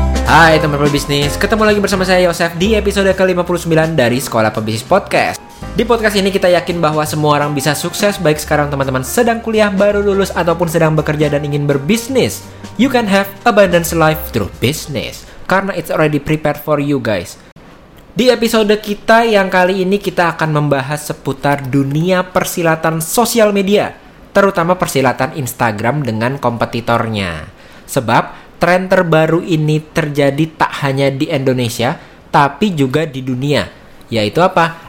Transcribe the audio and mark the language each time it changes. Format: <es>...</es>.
<id>Hai teman-teman pebisnis, ketemu lagi bersama saya Yosef di episode ke-59 dari Sekolah Pebisnis Podcast. Di podcast ini kita yakin bahwa semua orang bisa sukses, baik sekarang teman-teman sedang kuliah, baru lulus, ataupun sedang bekerja dan ingin berbisnis.</id> <en>You can have abundance life through business, karena it's already prepared for you guys.</en> <id>Di episode kita yang kali ini kita akan membahas seputar dunia persilatan sosial media, terutama persilatan Instagram dengan kompetitornya. Sebab tren terbaru ini terjadi tak hanya di Indonesia, tapi juga di dunia. Yaitu apa?</id>